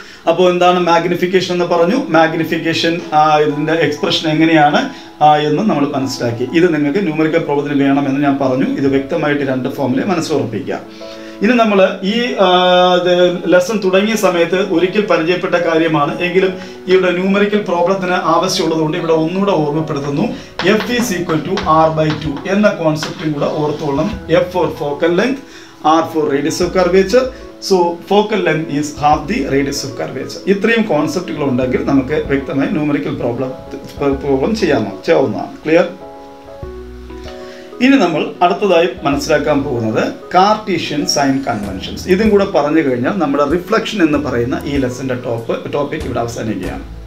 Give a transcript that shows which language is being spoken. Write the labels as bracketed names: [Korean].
[Malayalam] അപ്പോൾ എന്താണ് മാഗ്നിഫിക്കേഷൻ എന്ന് പറഞ്ഞു. മാഗ്നിഫിക്കേഷൻ ഇതിൻ്റെ എക്സ്പ്രഷൻ എങ്ങനെയാണ് എന്ന് നമ്മൾ മനസ്സിലാക്കി. ഇത് നിങ്ങൾക്ക് ന്യൂമറിക്കൽ പ്രോബ്ലത്തിന് വേണം എന്ന് ഞാൻ പറഞ്ഞു. ഇത് വ്യക്തമായിട്ട് രണ്ട് ഫോമിലെ മനസ്സുറപ്പിക്കുക. ഇനി നമ്മൾ ഈ ലെസൺ തുടങ്ങിയ സമയത്ത് ഒരിക്കൽ പരിചയപ്പെട്ട കാര്യമാണ്, എങ്കിലും ഇവിടെ ന്യൂമറിക്കൽ പ്രോബ്ലത്തിന് ആവശ്യമുള്ളതുകൊണ്ട് ഇവിടെ ഒന്നുകൂടെ ഓർമ്മപ്പെടുത്തുന്നു. [English] F is equal to R/2 [Malayalam] എന്ന കോൺസെപ്റ്റും കൂടെ ഓർത്തോളം. [English] F for focal length, R for radius of curvature. So focal length is half the radius of curvature. [Malayalam] ഇത്രയും കോൺസെപ്റ്റുകൾ ഉണ്ടെങ്കിൽ നമുക്ക് വ്യക്തമായി ന്യൂമറിക്കൽ പ്രോബ്ലം ചെയ്യാവുന്നതാണ്. ക്ലിയർ? ഇനി നമ്മൾ അടുത്തതായി മനസ്സിലാക്കാൻ പോകുന്നത് കാർട്ടീഷ്യൻ സൈൻ കൺവെൻഷൻസ്. ഇതും കൂടെ പറഞ്ഞു കഴിഞ്ഞാൽ നമ്മുടെ റിഫ്ലക്ഷൻ എന്ന് പറയുന്ന ഈ ലെസ്സന്റെ ടോപ്പിക് ഇവിടെ അവസാനിക്കുകയാണ്.